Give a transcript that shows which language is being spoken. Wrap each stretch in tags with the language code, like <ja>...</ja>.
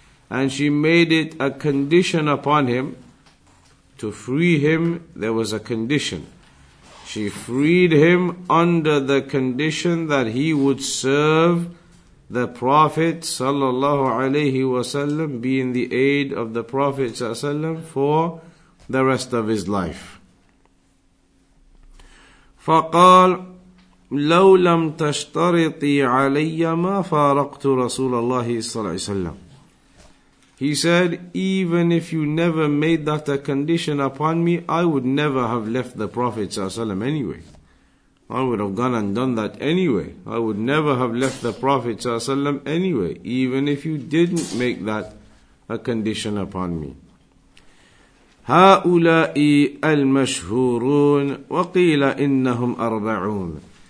<en>And she made it a condition upon him. To free him, there was a condition. She freed him under the condition that he would serve the Prophet sallallahu alayhi wasallam, be in the aid of the Prophet sallallahu alayhi wasallam for the rest of his life.</en> <ar>فقال لو لم تشترطي علي ما فارقت رسول الله صلى الله عليه وسلم.</ar> <en>He said, even if you never made that a condition upon me, I would never have left the Prophet sallallahu alaihi wasallam anyway. I would have gone and done that anyway. I would never have left the Prophet sallallahu alaihi wasallam anyway, even if you didn't make that a condition upon me.</en> <ar>هؤلاء المشهورون وقيل إنهم أربعون.</ar>